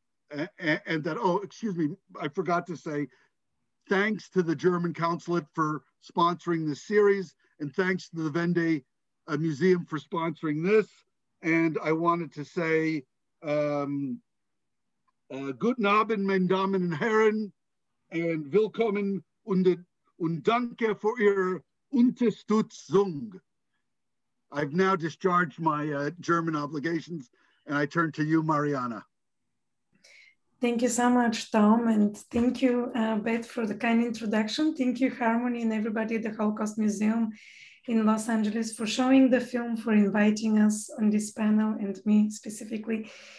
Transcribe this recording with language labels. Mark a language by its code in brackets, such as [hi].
[en] that, oh, excuse me, I forgot to say, thanks to the German consulate for sponsoring this series, and thanks to the Vende Museum for sponsoring this. And I wanted to say, [de] Guten Abend, meine Damen und Herren, and willkommen und danke für Ihre Unterstützung. [en] I've now discharged my German obligations, and I turn to you, Mariana. Thank you so much, Tom, and thank you, Beth, for the kind introduction. Thank you, Harmony, and everybody at the Holocaust Museum in Los Angeles for showing the film, for inviting us on this panel, and me specifically.